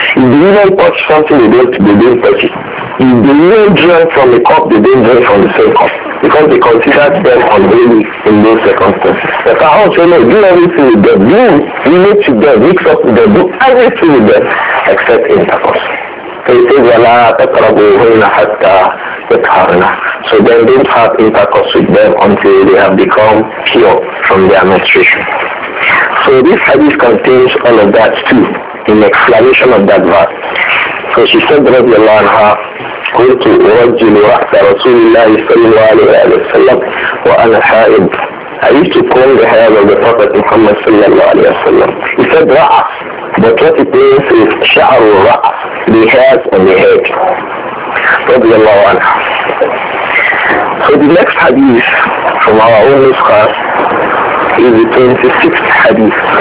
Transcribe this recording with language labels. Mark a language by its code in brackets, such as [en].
[en] If they even touch something, they don't touch it. If they even drink from the cup, they don't drink from the same cup. Because they consider them unholy in those circumstances. But I also know, do everything with them. Do relate to them, mix up with them, do everything with them, except intercourse. So he says, [ar] وَلَا تَقْرَبُوهُنَّ حَتَّى يَطْهُرْنَ. [en] So then don't have intercourse with them until they have become pure from their menstruation. So this hadith contains all of that too, in explanation of that verse. So she said, radiallahu anha, [ar] قلت أرجل رأس رسول الله صلى الله عليه وسلم وأنا حائض. [en] I used to comb the hair of the Prophet Muhammad sallallahu alayhi wa sallam. He said ra'as, but what it means is sha'ar ra'as, the hairs on the head. Radiallahu anha. So the next hadith from our own nuskha is the 26th hadith.